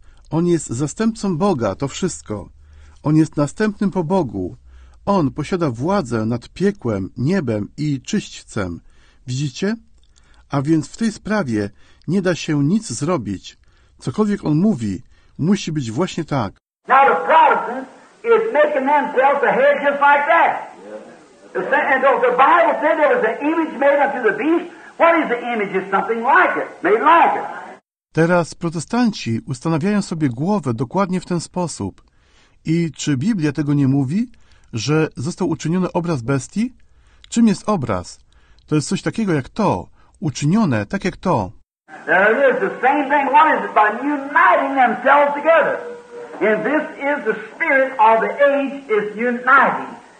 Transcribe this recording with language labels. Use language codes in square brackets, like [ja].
[pl] On jest zastępcą Boga, to wszystko. On jest następnym po Bogu. On posiada władzę nad piekłem, niebem i czyśćcem. Widzicie? A więc w tej sprawie nie da się nic zrobić. Cokolwiek on mówi, musi być właśnie tak. [en] Now the Protestant is making themselves a head just like that. And though the Bible said there was an image made unto the beast, what is the image? It's something like it, made like it. [pl] Teraz protestanci ustanawiają sobie głowę dokładnie w ten sposób. I czy Biblia tego nie mówi, że został uczyniony obraz bestii? Czym jest obraz? To jest coś takiego jak to, uczynione tak jak to. [en] There it is, the same thing. What is it? By uniting themselves together. And this is the spirit of the age, is uniting.